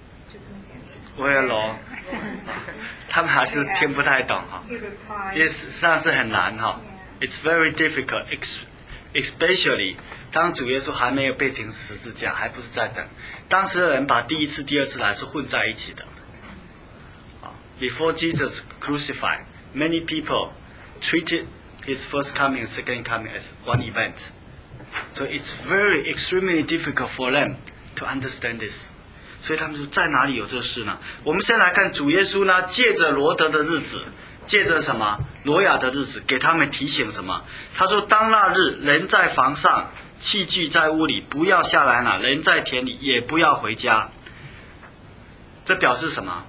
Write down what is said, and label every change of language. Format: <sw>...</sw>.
<zh>就这么简单。</zh> <en>Where Lord？</en> <zh>他们还是听不太懂哈、哦。</zh> <en>Yes，</en> <zh>实际上是很难哈、哦。</zh> <en>It's very difficult， especially</en> <zh>当主耶稣还没有被钉十字架，还不是在等。当时的人把第一次、第二次来是混在一起的。</zh> <en>Before Jesus crucified, many people treated his first coming and second coming as one event. So it's very extremely difficult for them to understand this.</en> <zh>所以他们说在哪里有这事呢？我们先来看主耶稣呢，借着罗德的日子，借着什么挪亚的日子，给他们提醒什么？他说当那日人在房上，器具在屋里，不要下来了，人在田里，也不要回家。这表示什么？</zh>